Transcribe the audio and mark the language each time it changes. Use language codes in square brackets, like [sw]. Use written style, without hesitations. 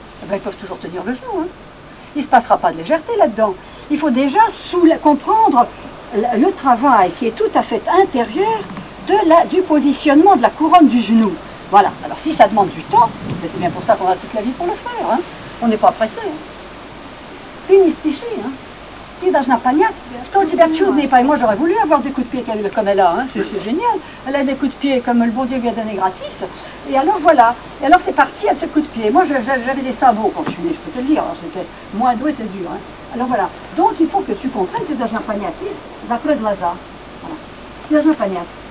[fr] Eh bien, ils peuvent toujours tenir le genou. Hein. Il ne se passera pas de légèreté là-dedans. Il faut déjà comprendre le travail qui est tout à fait intérieur du positionnement de la couronne du genou. Voilà. Alors, si ça demande du temps, ben, c'est bien pour ça qu'on a toute la vie pour le faire. Hein. On n'est pas pressé. [ru] Ты не спеши, hein. Ты должна понять, что у тебя чудные пальцы. [fr] Moi, j'aurais voulu avoir des coups de pied comme elle a. Hein. C'est génial. Elle a des coups de pied comme le bon Dieu lui a donné gratis. Et alors, voilà. Et alors, c'est parti à ce coup de pied. Moi, j'avais des sabots quand je suis née, je peux te le dire. Alors, c'était moins doué, c'est dur. Hein. Alors, voilà. Donc, il faut que tu comprennes, [ru] ты должна понять. Видишь, закрой глаза. Ты должна понять.